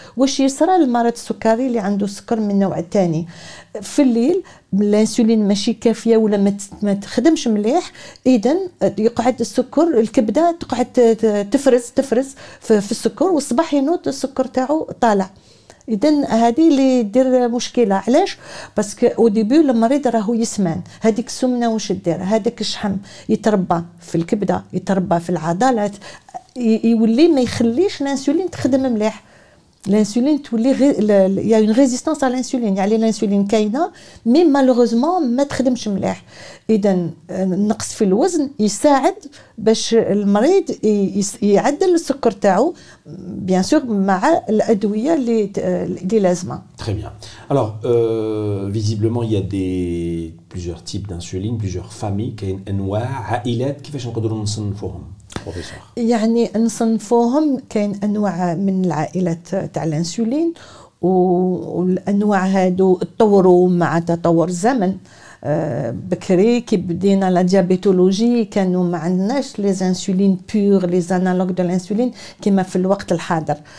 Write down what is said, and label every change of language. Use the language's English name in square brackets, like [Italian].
[Arabic] واش يصرى المرض السكري اللي عنده سكر من نوع الثاني في الليل؟ الانسولين ماشي كافيه ولا ما تخدمش مليح، اذن يقعد السكر الكبده تقعد تفرز في السكر، والصباح ينوض السكر تاعو طالع. إذن هذه اللي دير مشكلة. علاش؟ باسكو أو ديبي المريض راهو يسمن هذيك السمنة واش دير، هذاك الشحم يتربى في الكبدة يتربى في العضلات يولي ما يخليش الانسولين تخدم مليح. [French] L'insuline, il y a une résistance à l'insuline. Il y a l'insuline qui est là, mais malheureusement, il ne s'agit pas de mal. Et donc, le [Arabic] نقص في الوزن يساعد باش المريض يعدل السكر تاعو، بيان سور مع الأدوية اللي لازمة. [French] Très bien. Alors, visiblement, il y a plusieurs types d'insuline, plusieurs familles, qui ont une عائلات. [Arabic] كيفاش نقدروا نصنفوهم؟ يعني نصنفوهم كاين انواع من العائلات تاع الانسولين، والانواع هادو تطوروا مع تطور الزمن. بكري كي بدينا لا ديابيتولوجي كانوا ما عندناش لي انسولين بيغ لي انالوغ دو الانسولين كيما في الوقت الحاضر.